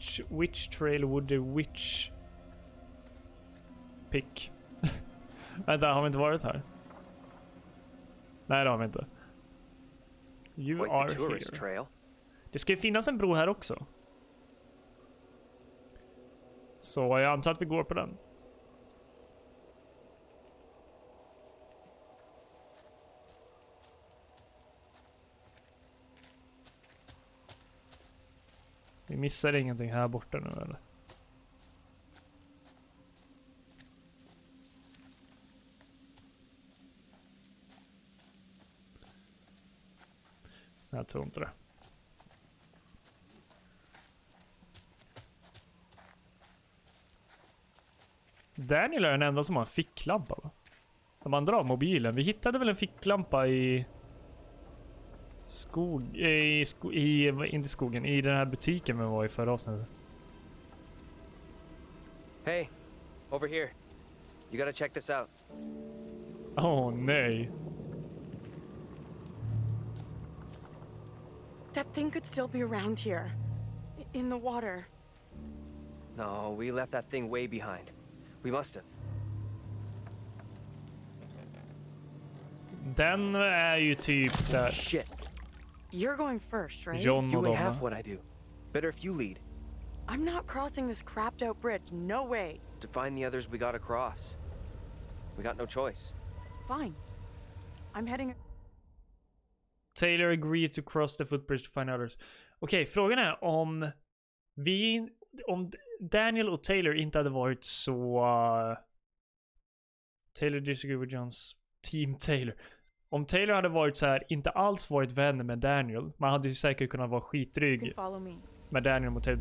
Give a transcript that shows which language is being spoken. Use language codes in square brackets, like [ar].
[en] Which trail would the witch pick? [sv] Vänta, har vi inte varit här? Nej, det har vi inte. [en] You are here. [sv] Det ska ju finnas en bro här också. Så jag antar att vi går på den. Vi missar ingenting här borta nu, eller? Jag tror inte det. Daniel är den enda som har en ficklampa, va? De andra har mobilen. Vi hittade väl en ficklampa i skog, inte skogen, i den här butiken vi var i förra avsnittet. [en] Hey, over here. You gotta check this out. [sv] Oh nej. [en] That thing could still be around here, in the water. No, we left that thing way behind. We must have. [sv] Den är ju typ där. [en] Shit. You're going first, right? John doing half what I do. Better if you lead. I'm not crossing this crapped out bridge. No way. To find the others, we gotta cross. We got no choice. Fine. I'm heading. Taylor agreed to cross the footbridge to find others. [sv] Okej, frågan är om vi, om Daniel och Taylor inte hade varit så [en] Taylor disagreed with John's team Taylor. [sv] Om Taylor hade varit så här, inte alls varit vän med Daniel, man hade ju säkert kunnat vara skitrygg med Daniel och Taylor.